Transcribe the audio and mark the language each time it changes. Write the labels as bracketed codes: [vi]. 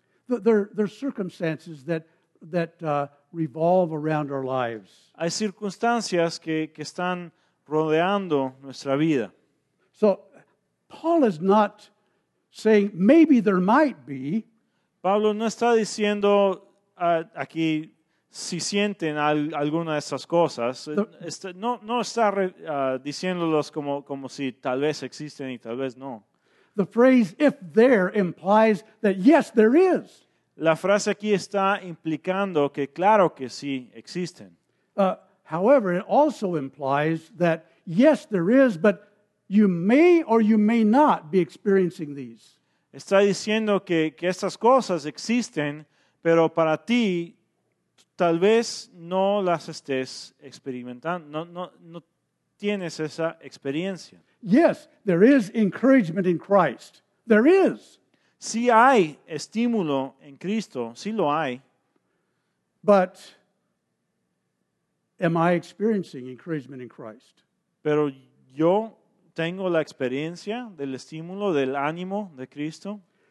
[en] There are circumstances that revolve around our lives. [es] Hay circunstancias que están rodeando nuestra vida. [en] So, Paul is not saying, maybe there might be. [es] Pablo no está diciendo aquí, si sienten alguna de esas cosas. No está diciéndolos como si tal vez existen y tal vez no. [en] The phrase, "if there," implies that, yes, there is. [es] La frase aquí está implicando que claro que sí existen. [en] However, it also implies that, yes, there is, but you may or you may not be experiencing these. [es] Está diciendo que estas cosas existen, pero para ti, tal vez no las estés experimentando, no tienes esa experiencia. [en] Yes, there is encouragement in Christ. There is. [es] Sí hay estímulo en Cristo, sí lo hay. [en] But am I experiencing encouragement in Christ? [es] Pero yo tengo la experiencia del estímulo, del ánimo de Cristo.